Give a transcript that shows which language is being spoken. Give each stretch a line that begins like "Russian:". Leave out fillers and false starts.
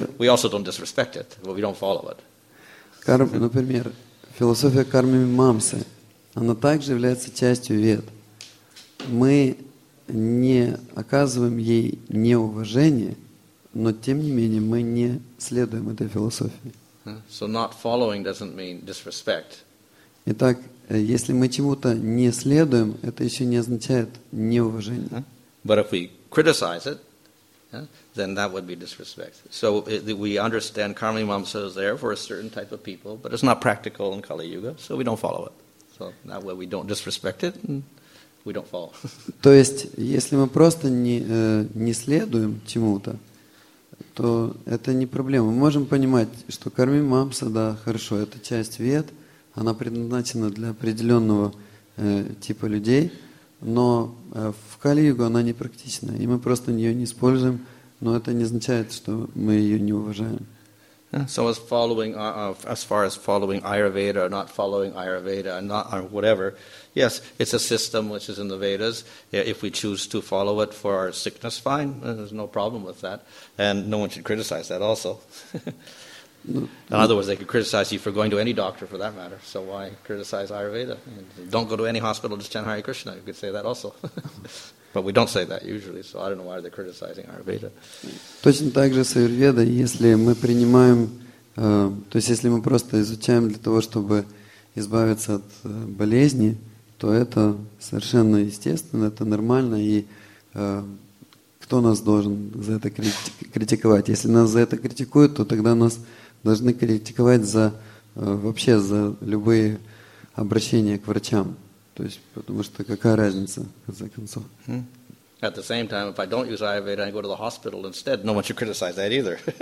English: but we also don't disrespect it, but we don't follow it.
Russian: Например, философия кармы мамсы, она также является частью вед. Мы не оказываем ей неуважение, но тем не менее мы не следуем этой философии.
English: So not following doesn't mean disrespect.
Russian: Итак, если мы чему-то не следуем, это еще не означает неуважение.
English: But if we criticize it, then that would be disrespect. So we understand karma mimamsa is there for a certain type of people, but it's not practical in Kali Yuga, so we don't follow it. So that way we don't disrespect it, and we don't follow.
Russian: То есть, если мы просто не следуем чему-то, то это не проблема. Мы можем понимать, что карма мимамса, да, хорошо, это часть вед, она предназначена для определенного типа людей, но в Кали-Югу она непрактична, и мы просто ее не используем, но это не означает, что мы ее не уважаем.
English: So as following, as far as following Ayurveda or not following Ayurveda or not or whatever, yes, it's a system which is in the Vedas. If we choose to follow it for our sickness, fine, there's no problem with that. And no one should criticize that also. In other words, they could criticize you for going to any doctor for that matter. So why criticize Ayurveda? Don't go to any hospital, just chant Hare Krishna. You could say that also. But we don't say that usually, so I don't know why they're criticizing Ayurveda.
Russian: Точно так же с Айурведой, если мы принимаем, то есть если мы просто изучаем для того, чтобы избавиться от болезни, то это совершенно естественно, это нормально, и кто нас должен за это критиковать? Если нас за это критикуют, то тогда нас должны критиковать за вообще за любые обращения к врачам. То есть, потому что какая разница, в конце концов?
English: At the same time, if I don't use Ayurveda, I go to the hospital instead, no one should criticize that either.